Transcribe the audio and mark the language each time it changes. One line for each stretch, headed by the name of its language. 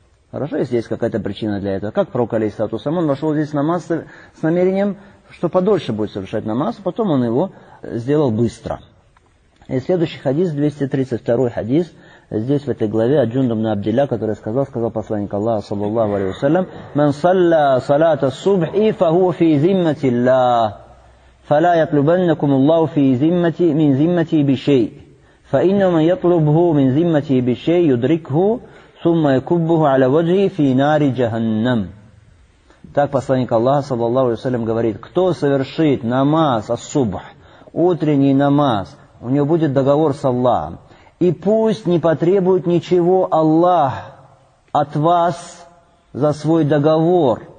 Russian: Хорошо, если есть какая-то причина для этого. Как пророк, алейхиссалям, он вошел здесь в намаз с намерением, что подольше будет совершать намаз, а потом он его сделал быстро. И следующий хадис, 232-й хадис, здесь в этой главе, от Джундуб ибн Абдилля, который сказал посланник Аллаха, саллаллаху алейхи ва саллям,
Arabic: «Ман салля салата субхи, фаху фи зиммати Аллах». فلا يطلبنكم الله في ذمتي من ذمتي بشيء فإن من يطلبه من ذمتي بشيء يدركه ثم يكبه على وجهه في نار جهنم.
Russian: Так посланник Аллаха саллаллаху алейхи ва саллям говорит: кто совершит намаз ас-субх, утренний намаз, у него будет договор с Аллахом, и пусть не потребует ничего Аллах от вас за свой договор.